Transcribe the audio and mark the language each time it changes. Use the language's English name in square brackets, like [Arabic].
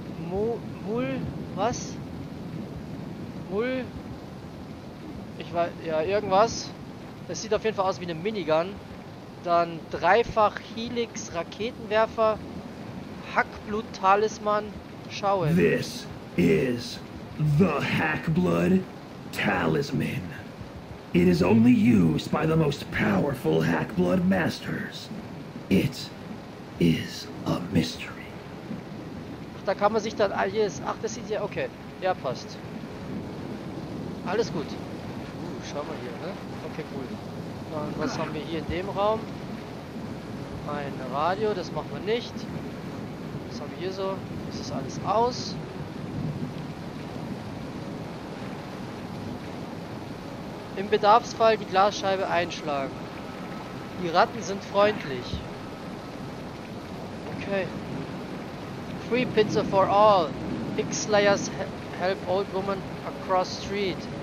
[German] Mull, was? Mull? ich weiß, ja, irgendwas. Es sieht auf jeden Fall aus wie eine Minigun. Dann dreifach Helix Raketenwerfer, Hackblut-Talisman, Schauen. [English] This is the Hackblood Talisman. It is only used by the most powerful Hackblood Masters. It is a mystery. [German] Ach, da kann man sich dann alles. Ach, das sieht ja. Okay. Ja, passt. Alles gut. Schau mal hier, ne? Okay, cool. Dann, was haben wir hier in dem Raum? Ein Radio, das machen wir nicht. Was haben wir hier so? Das ist alles aus. Im Bedarfsfall die Glasscheibe einschlagen. Die Ratten sind freundlich. [English] Okay. Free pizza for all. X-Layers help old woman across street.